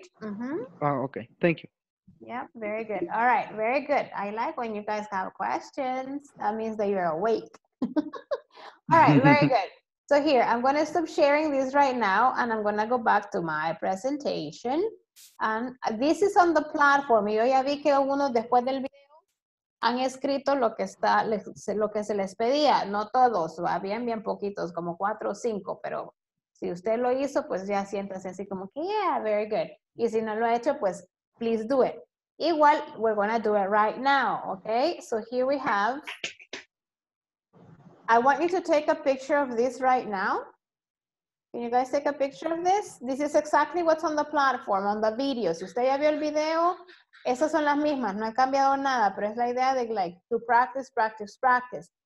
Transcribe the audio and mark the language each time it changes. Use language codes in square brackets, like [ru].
[en] Okay. Mm-hmm. Oh, okay, thank you. Yeah, very good. All right, very good. I like when you guys have questions. That means that you're awake. All right, very good. So here, I'm going to stop sharing this right now, and I'm going to go back to my presentation. And this is on the platform. [es] Yo ya vi que algunos después del video han escrito lo que se les pedía. No todos, habían bien poquitos, como 4 o 5, pero si usted lo hizo, pues ya siéntase así como que, [en] yeah, very good. [es] Y si no lo ha hecho, pues, [en] please do it. [es] Igual, [en] we're going to do it right now, okay? So here we have... I want you to take a picture of this right now. Can you guys take a picture of this? This is exactly what's on the platform, on the video. [es] Si usted ya vio el video, esas son las mismas. No ha cambiado nada, pero es la idea de [en] like, to practice, practice, practice.